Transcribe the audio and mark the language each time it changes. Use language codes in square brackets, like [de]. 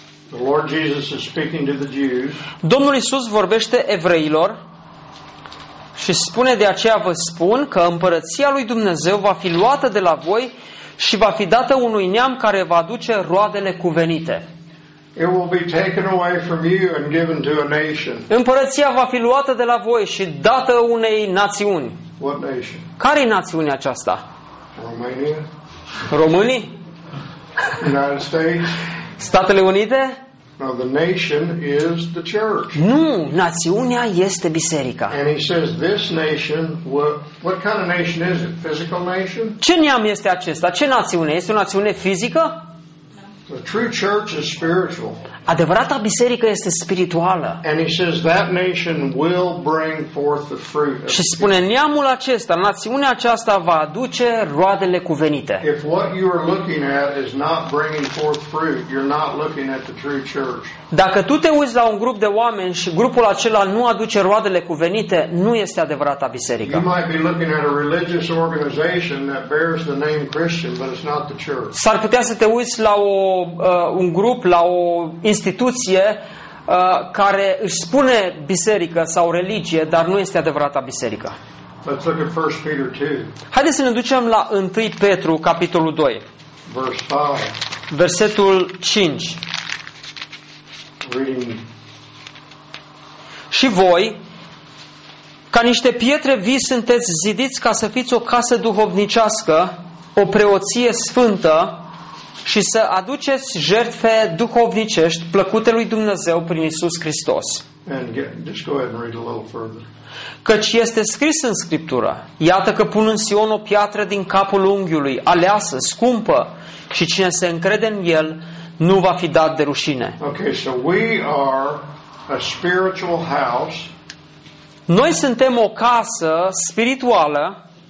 [en] The Lord Jesus is speaking to the Jews. [ro] Domnul Iisus vorbește evreilor. Și spune: de aceea vă spun că împărăția lui Dumnezeu va fi luată de la voi și va fi dată unui neam care va aduce roadele cuvenite. [en] It will be taken away from you and given to a nation. [ro] Împărăția va fi luată de la voi și dată unei națiuni. [en] What nation? [ro] Care e națiunea aceasta? România? Românii? [en] United States? [ro] Statele Unite? [en] Now the nation is the church. [ro] Nu, națiunea este biserica. [en] And he says this nation, what kind of nation is it? Physical nation? [ro] Ce neam este acesta? Ce națiune? Este o națiune fizică? [en] The true church is spiritual. [ro] Adevărata biserică este spirituală. [en] And he says that nation will bring forth the fruit. [ro] Și spune neamul acesta, națiunea aceasta va aduce roadele cuvenite. [en] If what you are looking at is not bringing forth fruit, you're not looking at the true church. [ro] Dacă tu te uiți la un grup de oameni și grupul acela nu aduce roadele cuvenite, nu este adevărata biserică. [en] You might be looking at a religious organization that bears the name Christian, but it's not the church. [ro] S-ar putea să te uiți la un grup, la o instituție care își spune biserică sau religie, dar nu este adevărata biserică. [en] Let's look at 1 Peter 2. [ro] Haideți să ne ducem la 1 Petru, capitolul 2. [en] Verse 5. [ro] Versetul 5. [en] Reading. [ro] Și voi, ca niște pietre vii, sunteți zidiți ca să fiți o casă duhovnicească, o preoție sfântă, și să aduceți jertfe duhovnicești plăcute lui Dumnezeu prin Iisus Hristos. [en] And get, just go ahead and read a little further. [ro] Căci este scris în Scriptură, iată că pun în Sion o piatră din capul unghiului, aleasă, scumpă, și cine se încrede în el nu va fi dat de rușine. [en] Okay, so we are a spiritual house. [ro] Noi suntem o casă spirituală.